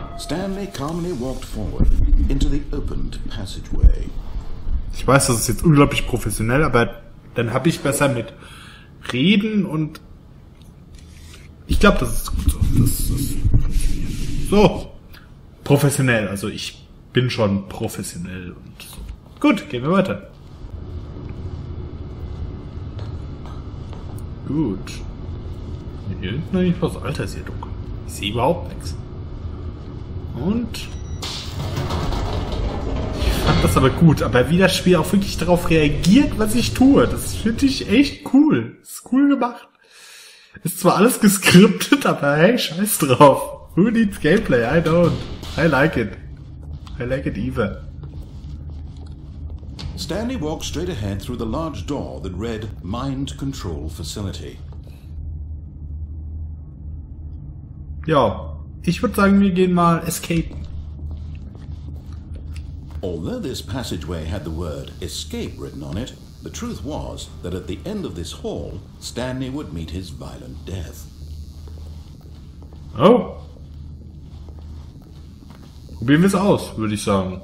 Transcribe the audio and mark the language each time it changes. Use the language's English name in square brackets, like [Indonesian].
[English] Stanley calmly walked forward into the opened passageway. [German] Ich weiß, das ist jetzt unglaublich professionell, aber dann hab ich besser mit reden und ich glaube, das ist gut so. Das so professionell, also ich bin schon professionell und so. Gut, gehen wir weiter. Gut. Hier hinten eigentlich was Altes hier dunkel. Ich sehe überhaupt nichts. Und. Ich fand das aber gut, aber wie das Spiel auch wirklich darauf reagiert, was ich tue, das finde ich echt cool. Ist cool gemacht. Ist zwar alles geskriptet, aber hey, scheiß drauf. [English] Who needs gameplay? I don't. I like it. I like it either. Stanley walked straight ahead through the large door that read Mind Control Facility. [German] Ja, ich würde sagen, wir gehen mal escape. [English] Although this passageway had the word escape written on it, the truth was that at the end of this hall, Stanley would meet his violent death. Oh. [German] Probieren wir es aus, würde ich sagen.